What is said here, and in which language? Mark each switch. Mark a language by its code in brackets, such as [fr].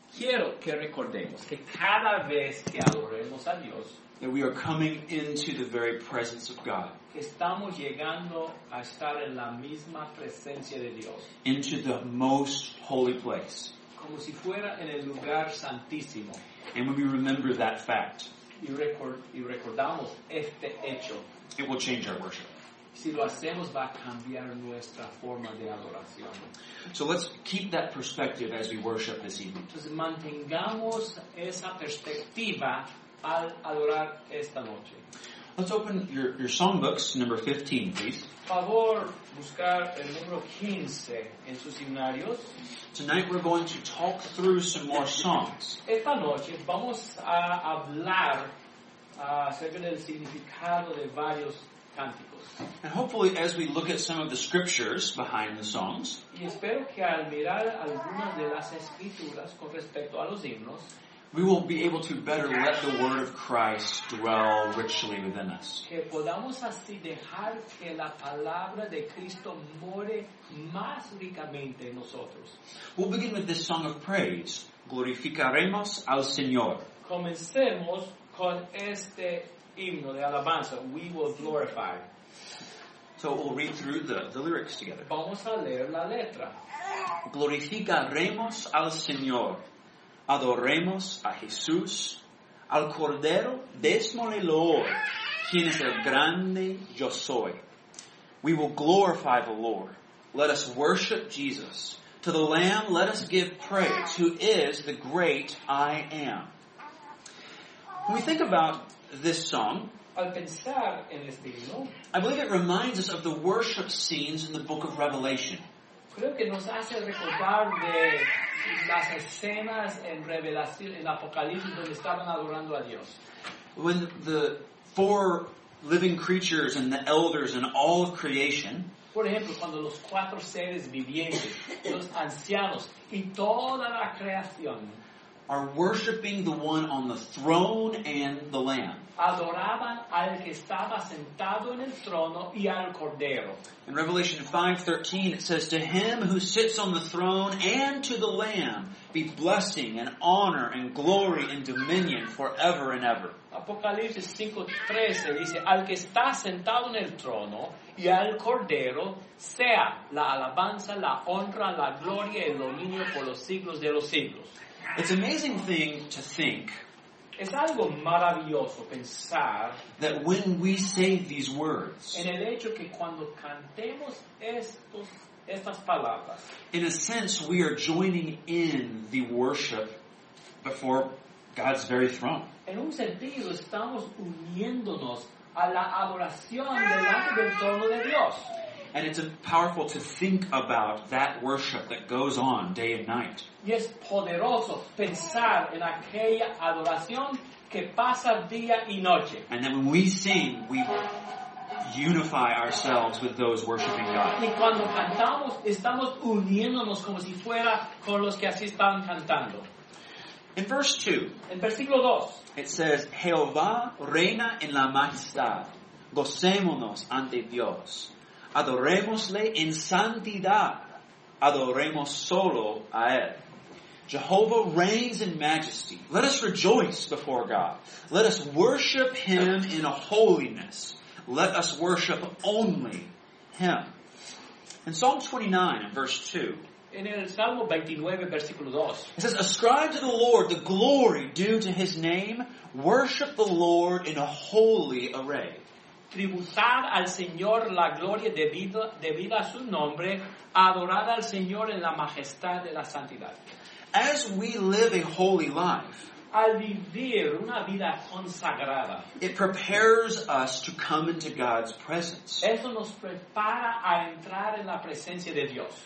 [es] quiero que recordemos que cada vez que adoremos a Dios, [en] that we are coming into the very presence of God. [es] Estamos llegando a estar en la misma presencia de Dios. [en] Into the most holy place. [es] Como si fuera en el lugar santísimo. [en] And when we remember that fact, [es] y recordamos este hecho, [en] it will change our worship. [es] Si lo hacemos, va a cambiar nuestra forma de adoración. [en] So let's keep that perspective as we worship this evening. [es] Entonces mantengamos esa perspectiva al adorar esta noche. [en] Let's open your songbooks, number 15, please. [es] Por favor, buscar el número 15 en sus himnarios. [en] Tonight we're going to talk through some more songs. [es] Esta noche vamos a hablar acerca del significado de varios cánticos. [en] And hopefully, as we look at some of the scriptures behind the songs, [es] y espero que al mirar algunas de las escrituras con respecto a los himnos, [en] we will be able to better let the word of Christ dwell richly within us. [es] Que podamos así dejar que la palabra de Cristo more más ricamente en nosotros. [en] We'll begin with this song of praise. [es] Glorificaremos al Señor. Comencemos con este himno de alabanza. [en] We will glorify. So we'll read through the lyrics together. [es] Vamos a leer la letra. Glorificaremos al Señor. Adoremos a Jesús, al Cordero, démosle loor, quien es el grande yo soy. [en] We will glorify the Lord. Let us worship Jesus. To the Lamb let us give praise, who is the great I am. When we think about this song, [es] al pensar en este himno, [en] I believe it reminds us of the worship scenes in the book of Revelation. [es] Creo que nos hace recordar de las escenas en Revelación, en Apocalipsis, donde estaban adorando a Dios. [en] When the four living creatures and the elders and all of creation, [es] por ejemplo, cuando los cuatro seres vivientes, los ancianos y toda la creación, [en] are worshiping the one on the throne and the Lamb. [es] Adoraban al que estaba sentado en el trono y al Cordero. [en] In Revelation 5:13, it says, to him who sits on the throne and to the Lamb be blessing and honor and glory and dominion forever and ever. [es] Apocalipsis 5:13 dice, al que está sentado en el trono y al Cordero sea la alabanza, la honra, la gloria y el dominio por los siglos de los siglos. [en] It's an amazing thing to think. [es] Es algo maravilloso pensar [en] that when we say these words, [es] en el hecho que cuando cantemos estas palabras, [en] in a sense we are joining in the worship before God's very throne. [es] En un sentido estamos uniéndonos a la adoración delante del trono de Dios. [en] And it's powerful to think about that worship that goes on day and night. [es] Y es poderoso pensar en aquella adoración que pasa día y noche. [en] And then when we sing, we unify ourselves with those worshiping God. [es] Y cuando cantamos, estamos uniéndonos como si fuera con los que así están cantando. [en] In verse 2, [es] en versículo 2, [en] it says, [es] Jehová reina en la majestad. Gocémonos ante Dios. Adorémosle en santidad. Adoremos solo a Él. [en] Jehovah reigns in majesty. Let us rejoice before God. Let us worship Him in holiness. Let us worship only Him. In Psalm 29, verse 2, [es] en el Salmo 29, versículo 2, [en] it says, ascribe to the Lord the glory due to His name. Worship the Lord in a holy array. [es] Tributar al Señor la gloria debida a su nombre, adorar al Señor en la majestad de la santidad. [en] As we live a holy life, [es] al vivir una vida consagrada, [en] it prepares us to come into God's presence. [es] Eso nos prepara a entrar en la presencia de Dios.